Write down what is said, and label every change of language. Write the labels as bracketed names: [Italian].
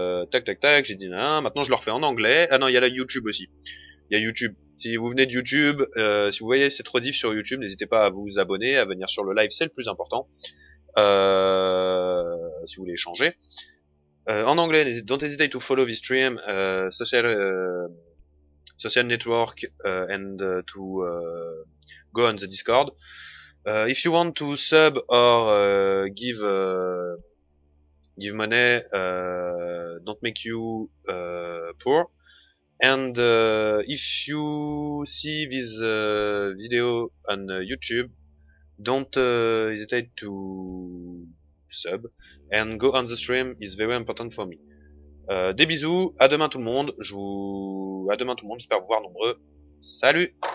[French] Tac, tac, tac, j'ai dit, nan, maintenant je le refais en anglais. Ah non, il y a la YouTube aussi. Il y a YouTube. Si vous venez de YouTube, si vous voyez cette rediff sur YouTube, n'hésitez pas à vous abonner, à venir sur le live, c'est le plus important. Si vous voulez échanger. En anglais, [English] don't hesitate to follow the stream, social network, and to go on the Discord. If you want to sub or give money, don't make you poor. And if you see this video on YouTube, don't hesitate to sub and go on the stream. It's very important for me. [French] Des bisous, à demain tout le monde. J'espère vous voir nombreux. Salut.